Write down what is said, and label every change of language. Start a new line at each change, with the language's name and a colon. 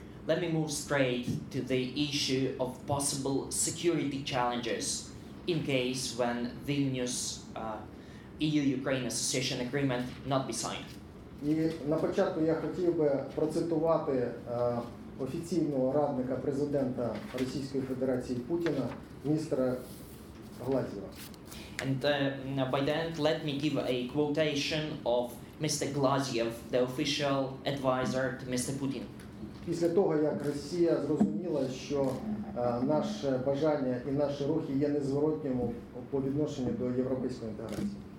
English: Let me move straight to the issue of possible security challenges in case when Vilnius EU-Ukraine Association Agreement not be signed.
Ukrainian: І на початку я хотів би процитувати офіційного радника президента Російської Федерації Путіна, міністра Глазьєва.
English: And by then, let me give a quotation of Mr. Glazyev, the official advisor to Mr. Putin.
Ukrainian: Після того, як Росія зрозуміла, що наше бажання і наші рухи є незворотніми по відношенню до європейської інтеграції.